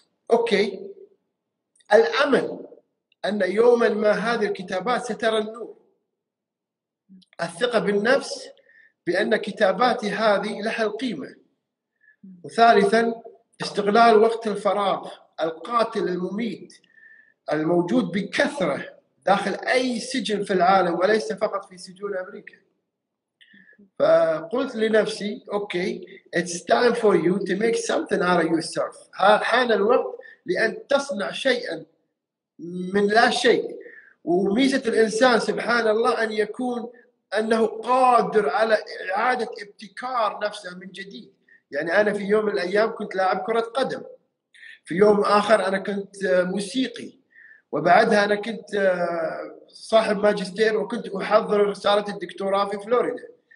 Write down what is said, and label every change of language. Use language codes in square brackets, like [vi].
[ar] اوكي، الامل ان يوما ما هذه الكتابات سترى النور، الثقه بالنفس بان كتاباتي هذه لها القيمه، وثالثا استغلال وقت الفراغ القاتل المميت الموجود بكثرة داخل أي سجن في العالم وليس فقط في سجون أمريكا. فقلت لنفسي أوكي [en] it's time for you to make something out of yourself. [ar] حان الوقت لأن تصنع شيئا من لا شيء. وميزة الإنسان سبحان الله أن يكون أنه قادر على إعادة ابتكار نفسه من جديد. يعني أنا في يوم من الأيام كنت لاعب كرة قدم، في يوم آخر أنا كنت موسيقي، وبعدها أنا كنت صاحب ماجستير وكنت أحضر رسالة الدكتوراه في فلوريدا.